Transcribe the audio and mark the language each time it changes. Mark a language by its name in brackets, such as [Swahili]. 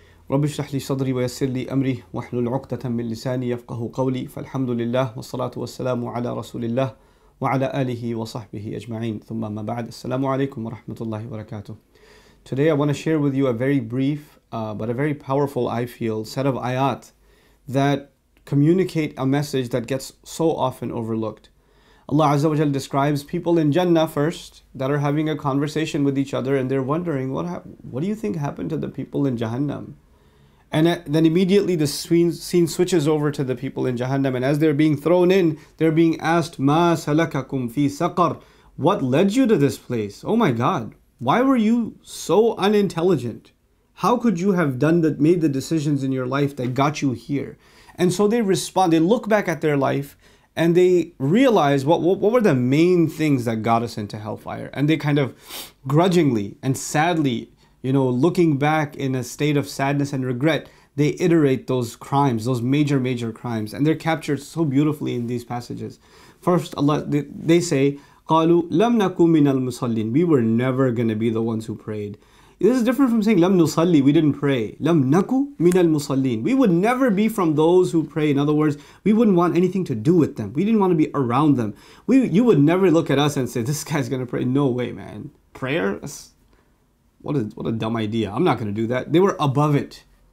[Arabic] رب اشرح لي صدري ويسر لي أمري واحلل عقدة من لساني يفقه قولي. فالحمد لله والصلاة والسلام على رسول الله وعلى آله وصحبه أجمعين ثم ما بعد. السلام عليكم ورحمة الله وبركاته. [English] Today I want to share with you a very brief but a very powerful, I feel, set of ayat that communicate a message that gets so often overlooked. Allah Azza wa Jalla describes people in Jannah first that are having a conversation with each other, and they're wondering, what do you think happened to the people in Jahannam? And then immediately the scene switches over to the people in Jahannam, and as they're being thrown in, they're being asked, [Arabic] مَا سَلَكَكُمْ فِي سَقَرْ. [English] What led you to this place? Oh my God, why were you so unintelligent? How could you have made the decisions in your life that got you here? And so they respond, they look back at their life and they realize what were the main things that got us into hellfire. And they kind of grudgingly and sadly, you know, looking back in a state of sadness and regret, they iterate those crimes, those major, major crimes. And they're captured so beautifully in these passages. First, Allah, they say, [Arabic] قَالُوا لَمْ نَكُمْ مِنَ الْمُصَلِّينَ. [English] We were never going to be the ones who prayed. This is different from saying, [Arabic] لَمْ نُصَلِّ, [English] we didn't pray. [Arabic] لَمْ نَكُ مِنَ الْمُصَلِّينَ. [English] We would never be from those who pray. In other words, we wouldn't want anything to do with them. We didn't want to be around them. You would never look at us and say, this guy's going to pray. No way, man. Prayer? What a dumb idea. I'm not going to do that. They were above it.